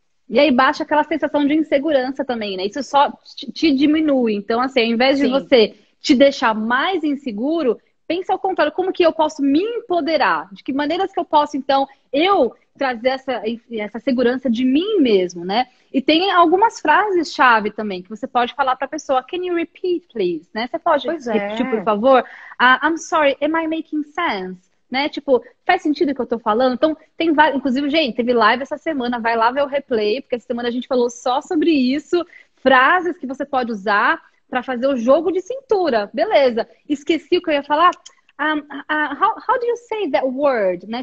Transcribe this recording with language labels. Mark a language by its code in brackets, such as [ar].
[pt] E aí baixa aquela sensação de insegurança também, né? Isso só te diminui. Então, assim, ao invés de você te deixar mais inseguro, pensa ao contrário, como que eu posso me empoderar? De que maneiras que eu posso, então, eu trazer essa segurança de mim mesmo, né? E tem algumas frases-chave também que você pode falar para a pessoa. [en] Can you repeat, please? [pt] Né? Você pode repetir, por favor? [en] I'm sorry, am I making sense? [pt] Né? Tipo, faz sentido o que eu tô falando? Então, tem várias... Inclusive, gente, teve live essa semana. Vai lá ver o replay, porque essa semana a gente falou só sobre isso. Frases que você pode usar para fazer o jogo de cintura. Beleza. Esqueci o que eu ia falar? [en] How do you say that word? [pt] Né?